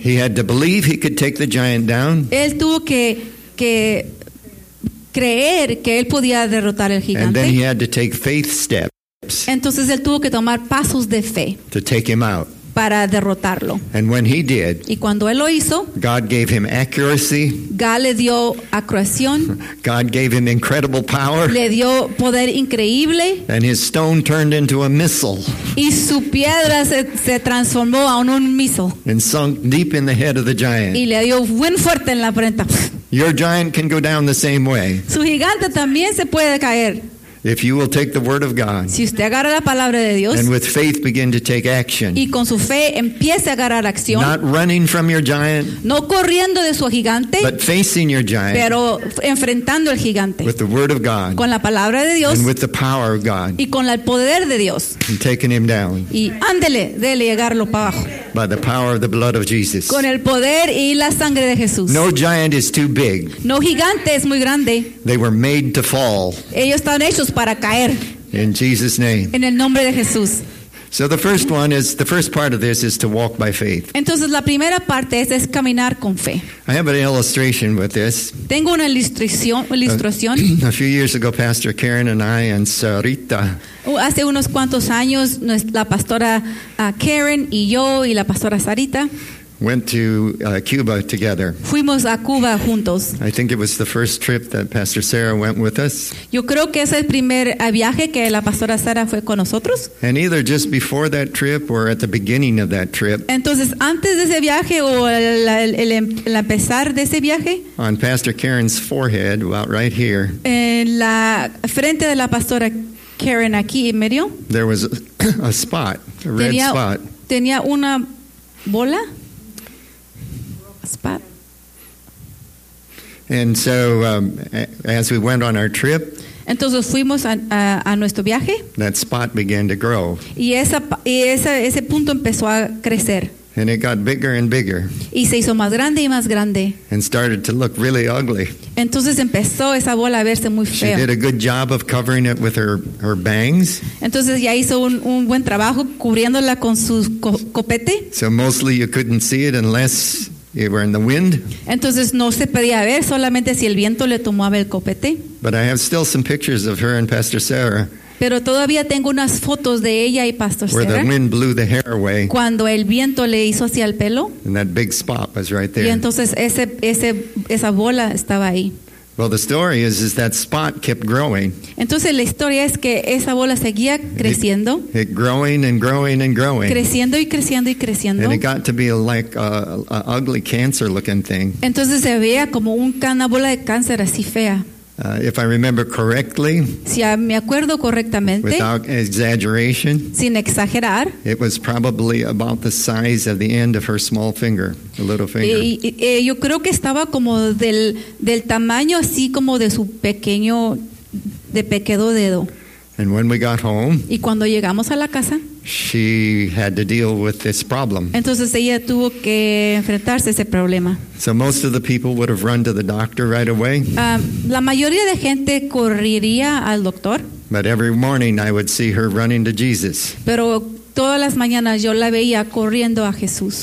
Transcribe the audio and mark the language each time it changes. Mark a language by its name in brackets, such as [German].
[English] He had to believe he could take the giant down. [Spanish] Él tuvo que creer que él podía derrotar al gigante. [English] And then he had to take faith steps. [Spanish] Entonces él tuvo que tomar pasos de fe. [English] To take him out. [Spanish] Para derrotarlo. [English] And when he did. [Spanish] Y cuando él lo hizo. [English] God gave him accuracy. [Spanish] God le dio acreción. [English] God gave him incredible power. [Spanish] Le dio poder increíble. [English] And his stone turned into a missile. [Spanish] Y su piedra se transformó en un misil. [English] And sunk deep in the head of the giant. [Spanish] Y le dio buen fuerte en la frente. [English] Your giant can go down the same way. [Spanish] Su gigante también se puede caer. [English] If you will take the word of God, [Spanish] si usted agarra la palabra de Dios, [English] and with faith begin to take action, [Spanish] y con su fe empiece a agarrar acción, [English] not running from your giant, [Spanish] no corriendo de su gigante, [English] but facing your giant, [Spanish] pero enfrentando el gigante, [English] with the word of God, [Spanish] con la palabra de Dios, [English] and with the power of God, [Spanish] y con el poder de Dios, [English] and taking him down, [Spanish] y ándele, dele, agarrarlo para abajo, [English] by the power of the blood of Jesus, [Spanish] con el poder y la sangre de Jesús. [English] No giant is too big. [Spanish] No gigante es muy grande. [English] They were made to fall. [Spanish] Ellos están hechos para caer. [English] In Jesus' name. [Spanish] En el nombre de Jesús. [English] So the first part of this is to walk by faith. [Spanish] Entonces la primera parte es caminar con fe. [English] I have an illustration with this. [Spanish] Tengo una ilustración. [English] A few years ago, Pastor Karen and I and Sarita. [Spanish] Hace unos cuantos años, la pastora Karen y yo y la pastora Sarita. [English] Went to Cuba together. [Spanish] Fuimos a Cuba juntos. [English] I think it was the first trip that Pastor Sarah went with us. [Spanish] Yo creo que es el primer viaje que la pastora Sarah fue con nosotros. [English] And either just before that trip or at the beginning of that trip. [Spanish] Entonces, antes de ese viaje o el empezar de ese viaje. [English] On Pastor Karen's forehead, about right here. [Spanish] En la frente de la pastora Karen aquí en medio. [English] There was a spot, a red spot. [Spanish] Tenía una bola. [English] And so as we went on our trip, [Spanish] entonces fuimos a nuestro viaje, [English] that spot began to grow. [Spanish] Ese punto empezó a crecer. [English] And it got bigger and bigger. [Spanish] Y se hizo más grande y más grande. [English] And started to look really ugly. [Spanish] Entonces empezó esa bola a verse muy fea. [English] She did a good job of covering it with her bangs. [Spanish] Entonces ya hizo un buen trabajo cubriéndola con su copete. [English] So mostly you couldn't see it unless you were in the wind. [Spanish] Entonces no se podía ver solamente si el viento le tomaba el copete. [English] But I have still some pictures of her and Pastor Sarah. [Spanish] Pero todavía tengo unas fotos de ella y Pastor Sarah. [English] Where the wind blew the hair away. [Spanish] Cuando el viento le hizo hacia el pelo. [English] And that big spot was right there. [Spanish] Y entonces esa bola estaba ahí. [English] Well, the story is that spot kept growing. [Spanish] Entonces la historia es que esa bola seguía creciendo. [English] It growing and growing and growing. [Spanish] Creciendo y creciendo y creciendo. [English] And it got to be like a ugly cancer looking thing. [Spanish] Entonces se veía como una bola de cáncer así fea. [English] If I remember correctly, [Spanish] si me acuerdo correctamente, [English] without exaggeration, [Spanish] sin exagerar, [English] it was probably about the size of the end of her small finger, the little finger. [Spanish] Yo creo que estaba como del tamaño así como de su pequeño dedo. [English] And when we got home, [Spanish] y cuando llegamos a la casa, [English] she had to deal with this problem. [Spanish] Entonces ella tuvo que enfrentarse ese problema. [English] So most of the people would have run to the doctor right away. [Spanish] La mayoría de gente correría al doctor. [English] But every morning I would see her running to Jesus. [Spanish] Pero todas las mañanas yo la veía corriendo a Jesús.